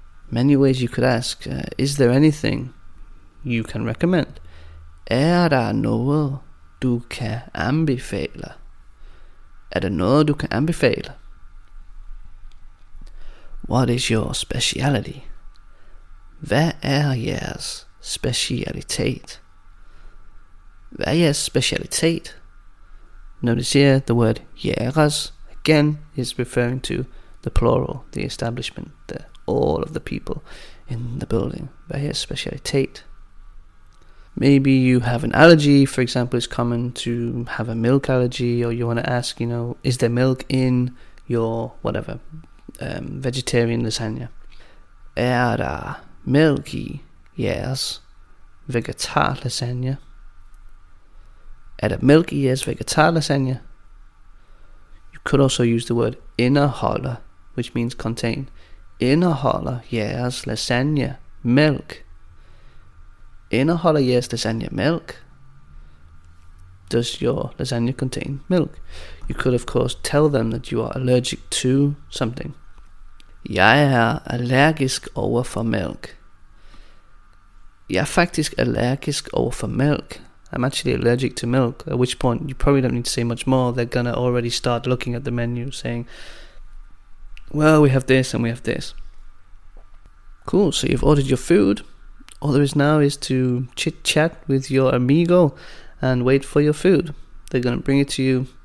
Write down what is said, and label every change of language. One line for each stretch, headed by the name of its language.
English: Many ways you could ask, is there anything you can recommend?
Danish: Er der noget du kan anbefale? Er der noget du kan anbefale?
English: What is your speciality?
Danish: Hvad er jeres specialitet? Hvad er jeres specialitet?
English: Notice here the word jeres again is referring to the plural, the establishment, the all of the people in the building.
Danish: Hvad er jeres specialitet?
English: Maybe you have an allergy, for example, it's common to have a milk allergy, or you want to ask, you know, is there milk in your whatever, vegetarian lasagna?
Danish: Er der mælk i jeres vegetar lasagne? Er der mælk i jeres vegetar lasagne?
English: You could also use the word indeholder, which means contain.
Danish: Indeholder jeres lasagne mælk? Indeholder jeres lasagne mælk?
English: Does your lasagna contain milk? You could of course tell them that you are allergic to something.
Danish: Jeg er allergisk over for mælk. Jeg er faktisk allergisk over for mælk.
English: I'm actually allergic to milk. At which point you probably don't need to say much more. They're gonna already start looking at the menu saying, well, we have this and we have this. Cool, so you've ordered your food. All there is now is to chit-chat with your amigo and wait for your food. They're going to bring it to you.